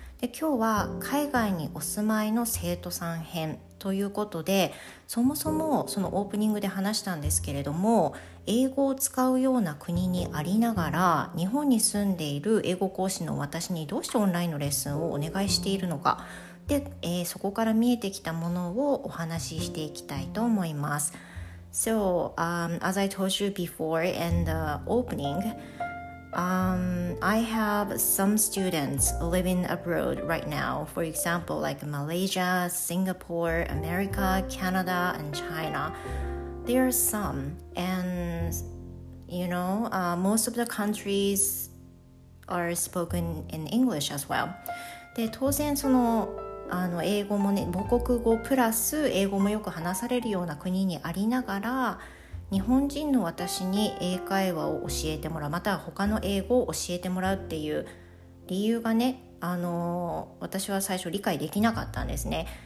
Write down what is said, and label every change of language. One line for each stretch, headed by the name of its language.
Japanese: で、今日は海外にお住まいの生徒さん編ということで、そもそもそのオープニングで話したんですけれども、英語を使うような国にありながら日本に住んでいる英語講師の私にどうしてオンラインのレッスンをお願いしているのかで、そこから見えてきたものをお話ししていきたいと思います。
English: So, as I told you before in the openingI have some students living abroad right now. For example, like Malaysia, Singapore, America, Canada, and China. There are some. And, you know, most of the countries are spoken in English as well.
Japanese: で、当然その、英語もね、母国語プラス英語もよく話されるような国にありながら、日本人の私に英会話を教えてもらう、または他の英語を教えてもらうっていう理由がね、私は最初理解できなかったんですね。